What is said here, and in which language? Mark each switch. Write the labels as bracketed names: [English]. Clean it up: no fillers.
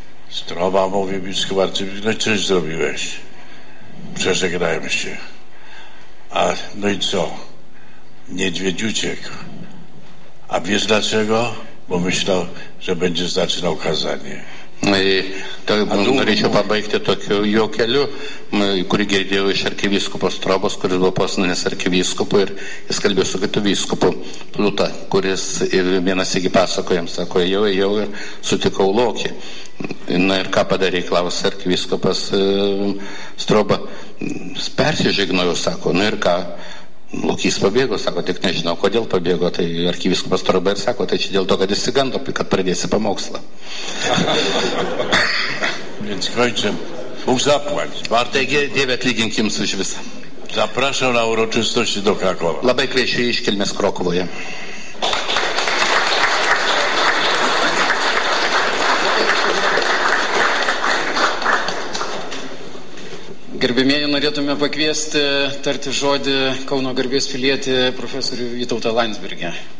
[Polish] Stroba mówi, biskup arcybiskup, no i coś zrobiłeś. Przeżegnałem się. A no i co? Niedźwiedź uciekł. A wiesz dlaczego? Bo myślał, że będzie zaczynał kazanie. [Lithuanian] To norėčiau pabaigti tokiu jo keliu, kurį girdėjau iš arkivyskupo Strobos, kuris buvo posnanės arkivyskupu ir jis kalbėjo su kitu vyskupu Pluta, kuris vienas įgi pasako jam, sako, jau ir sutikau lokį. Na ir ką padarė, klausė arkivyskupas Stroba, persižegnojau, sako, nu ir ką. Lokys pabėgo, sako, tik nežinau, kodėl pabėgo, tai arkivyskupas Troba ir sako, tai čia dėl to, kad jis įsigando, kad pradėsi pamokslą. [Polish] Więc kończym. Bóg zapłać. [Lithuanian] Taigi, Dieve, atlygink jums už visą. [Polish] Zapraszam na uroczystości do Krakowa. [Lithuanian] Labai kviečiu į iškilmes Krokuvoje. Gerbėmėjai, norėtume pakviesti tarti žodį Kauno garbės pilietį profesorių Vytautą Landsbergį.